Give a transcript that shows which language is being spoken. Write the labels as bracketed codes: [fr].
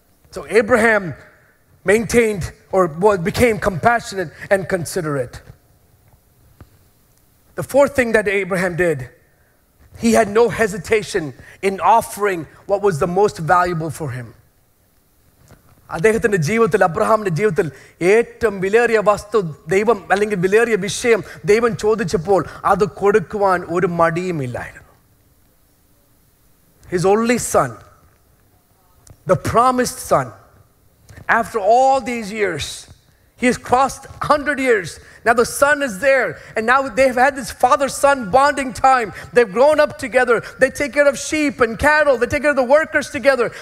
[en] So Abraham maintained or became compassionate and considerate. The fourth thing that Abraham did, he had no hesitation in offering what was the most valuable for him. [ml] അദ്ദേഹത്തിൻ്റെ ജീവിതത്തിൽ അബ്രഹാമിൻ്റെ ജീവിതത്തിൽ ഏറ്റവും വിലയേറിയ വസ്തു ദൈവം അല്ലെങ്കിൽ വിലയേറിയ വിഷയം ദൈവം ചോദിച്ചപ്പോൾ അത് കൊടുക്കുവാൻ ഒരു മടിയും ഇല്ലായിരുന്നു. [en] His only son, the promised son, after all these years, he has crossed 100 years. Now the son is there, and now they've had this father-son bonding time. They've grown up together. They take care of sheep and cattle. They take care of the workers together.